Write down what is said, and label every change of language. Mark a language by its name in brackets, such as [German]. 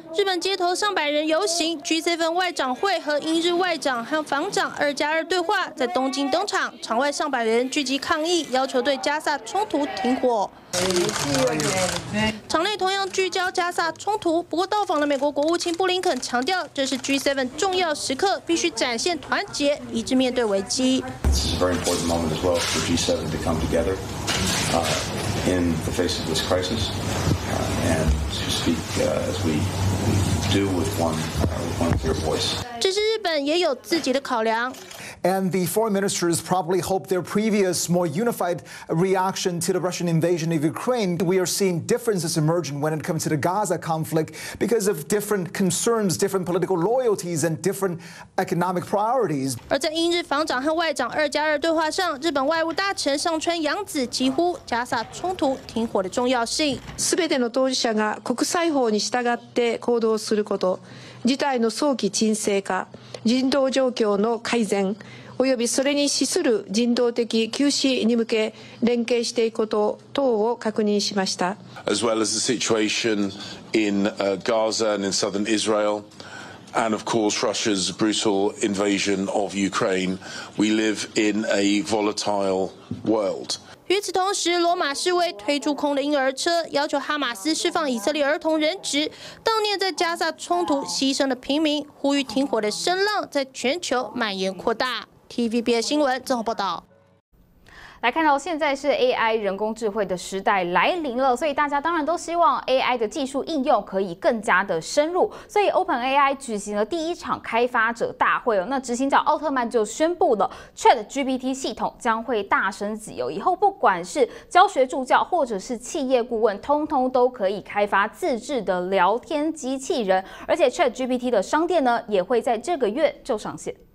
[Chinese] 日本街头上百人游行 ，G7 外长会和英日外长和防长2+2对话在东京登场，场外上百人聚集抗议，要求对加萨冲突停火。场内同样聚焦加萨冲突，不过到访的美国国务卿布林肯强调，这是 G7 重要时刻，必须展现团结，一致面对危机。 [English] This is a very important moment as well for G7 to come together, in the face of this crisis, and to speak, as we do with one clear voice. [Chinese] 这是日本也有自己的考量。 [English] And the foreign ministers probably hope their previous more unified reaction to the Russian invasion of Ukraine. We are seeing differences emerging when it comes to the Gaza conflict because of different concerns, different political loyalties, and different economic priorities. [Chinese] 而在英日防长和外长2+2对话上，日本外务大臣上川洋子疾呼加萨冲突停火的重要性。 [Japanese] すべての当事者が国際法に従って行動すること。事態の早期沈静化、人道状況の改善、およびそれに資する人道的休止に向け連携していくこと等を確認しました。 [English] As well as the situation in Gaza and in southern Israel, and of course Russia's brutal invasion of Ukraine, we live in a volatile world. [Chinese] 与此同时，罗马示威推出空的婴儿车，要求哈马斯释放以色列儿童人质，悼念在加萨冲突牺牲的平民，呼吁停火的声浪在全球蔓延扩大。TVBS 新闻综合报道。来看到现在是 AI 人工智慧的时代来临了，所以大家当然都希望 AI 的技术应用可以更加的深入，所以 OpenAI 举行了第一场开发者大会，那执行长奥特曼就宣布了 ChatGPT 系统将会大升级，以后不管是教学助教或者是企业顾问通通都可以开发自制的聊天机器人，而且 ChatGPT 的商店呢也会在这个月就上线。